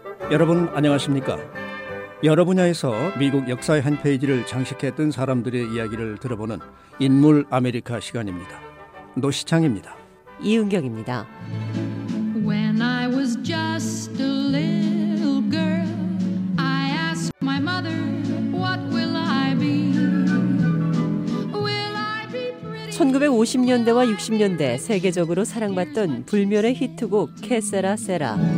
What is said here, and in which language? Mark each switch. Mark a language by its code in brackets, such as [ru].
[ko] 여러분 안녕하십니까? 여러 분야에서 미국 역사의 한 페이지를 장식했던 사람들의 이야기를 들어보는 인물 아메리카 시간입니다. 노시창입니다. 이은경입니다. [en] When I was just a little girl, I asked my mother, what will I be? Will I be pretty? [ko] 1950년대와 60년대 세계적으로 사랑받던 불멸의 히트곡 케세라 세라.